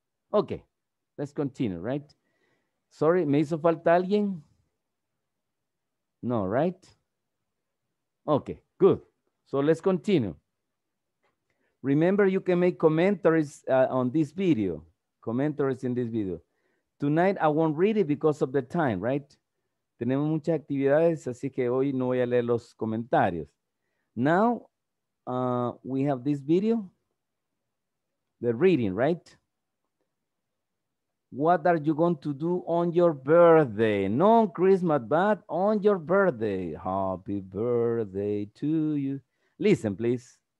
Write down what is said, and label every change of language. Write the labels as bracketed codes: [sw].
[en] Okay, let's continue, right? Sorry, [es] ¿me hizo falta alguien? [en] No, right? Okay, good. So let's continue. Remember, you can make commentaries on this video. Commentaries in this video. Tonight, I won't read it because of the time, right? [es] Tenemos muchas actividades, así que hoy no voy a leer los comentarios. [en] Now, we have this video, the reading, right? What are you going to do on your birthday? No on Christmas, but on your birthday. Happy birthday to you. Listen, please.